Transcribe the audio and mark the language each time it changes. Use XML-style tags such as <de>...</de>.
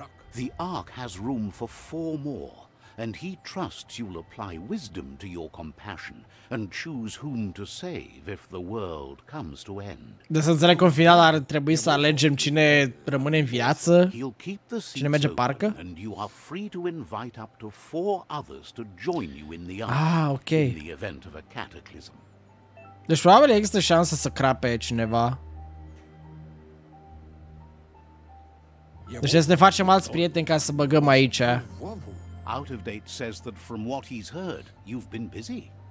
<en>The Ark has room for four more, and he trusts you'll apply wisdom to your compassion and choose whom to save if the world comes to end.</en> <ro>Deci să înțeleg că în final ar trebui să alegem cine rămâne în viață, cine merge parcă.</ro> <en>And you are free to invite up to four others to join you in the Ark. Ah, okay. In the event of a cataclysm.</en> <ro>Deci probabil există șansa să crape cineva. Deci să ne facem alți prieteni ca să băgăm aici.</ro> <en>Out of date says that from what he's heard, you've been busy.</en>